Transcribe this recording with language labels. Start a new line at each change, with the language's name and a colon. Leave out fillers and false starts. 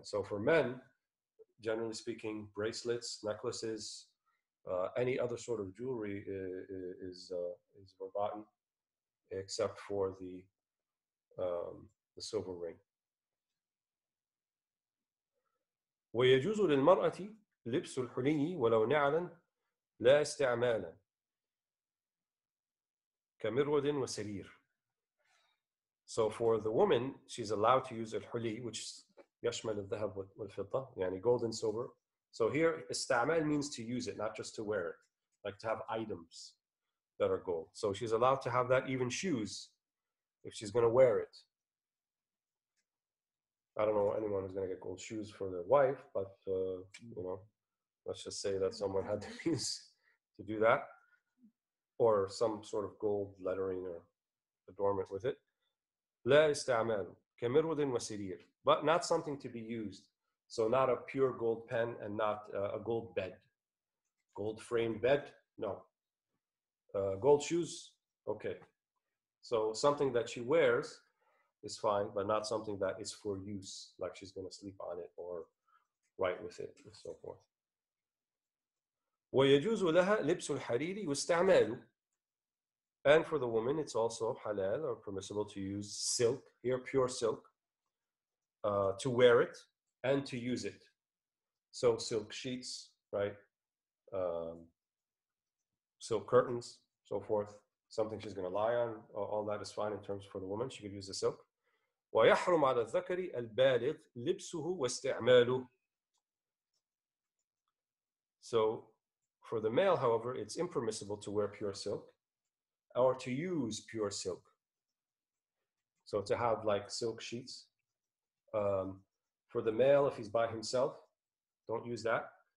English: So for men, generally speaking, bracelets, necklaces, any other sort of jewelry is verboten, except for the silver ring.
Arabic: ويجوز للمرأة لبس الحلي ولو نعلا لا استعمالا كمرود وسرير.
English: So for the woman, she's allowed to use الحلي, which is
Arabic: يشمل الذهب والفضة,
English: يعني gold and silver. So here, استعمال means to use it, not just to wear it, like to have items that are gold. So she's allowed to have that, even shoes, if she's going to wear it. I don't know anyone who's going to get gold shoes for their wife, but you know, let's just say that someone had the means to do that, or some sort of gold lettering or adornment with it.
Arabic: لا استعمال كمرود وسرير,
English: but not something to be used. So not a pure gold pen, and not a gold bed. Gold framed bed? No. Gold shoes? Okay. So something that she wears, is fine, but not something that is for use, like she's going to sleep on it or write with it and so forth.
Arabic: ويجوز لها لبس الحريري واستعماله.
English: And for the woman, it's also halal or permissible to use silk, here pure silk, to wear it and to use it. So silk sheets, right? Silk curtains, so forth. Something she's going to lie on, all that is fine in terms for the woman. She could use the silk.
Arabic: ويحرم على الذكر البالغ لبسه واستعماله.
English: So for the male, however, it's impermissible to wear pure silk or to use pure silk. So to have like silk sheets. For the male, if he's by himself, don't use that.